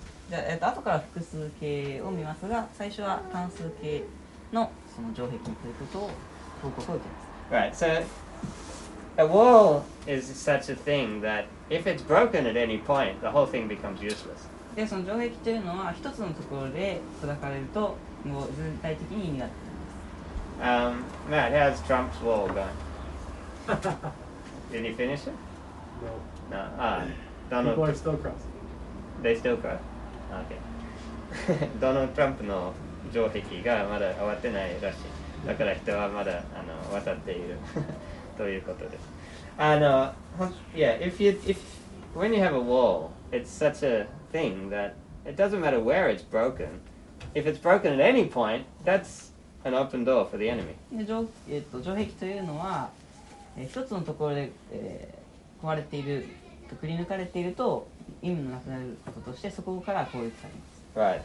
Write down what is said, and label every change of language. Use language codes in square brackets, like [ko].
[ja] じゃあ、後から複数形を見ますが、最初は単数形のその城壁ということを、 [en] Right, so a wall is such a thing that if it's broken at any point, the whole thing becomes useless. [ja] で、その城壁というのは一つのところで砕かれると、もう全体的に意味がなくなります。 [en] Matt, how's Trump's wall going? Did he finish it? No. Donald People are still crossing. They still cross? Okay. [ja] Donald Trump の城壁がまだ終わってないらしい。だから人はまだ渡っているということです。 [en] When you have a wall, it's such a thing that it doesn't matter where it's broken. If it's broken at any point, that's an open door for the enemy. [ja] 城壁というのは、一つのところで、壊れている、くり抜かれていると意味のなくなることとして、そこから攻撃されます。